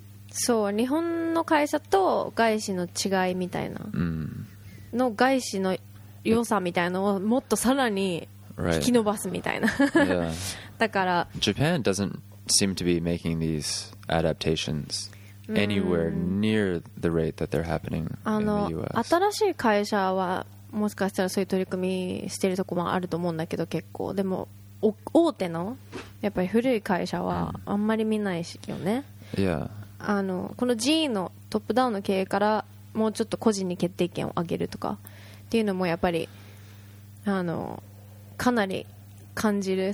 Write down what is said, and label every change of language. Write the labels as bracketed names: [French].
[Japanese] そう、日本の会社と外資の違いみたいな、の外資の良さみたいなのをもっとさらに引き伸ばすみたいな、だから [English] Japan doesn't seem to be making these adaptations anywhere near the rate that they're happening in the US. [Japanese] 新しい会社はもしかしたらそういう取り組みしてるとこもあると思うんだけど、結構でも大手のやっぱり古い会社はあんまり見ないしよね。 [English] Yeah. [Japanese] この GE のトップダウンの経営からもうちょっと個人に決定権を上げるとかっていうのもやっぱりかなり感じる。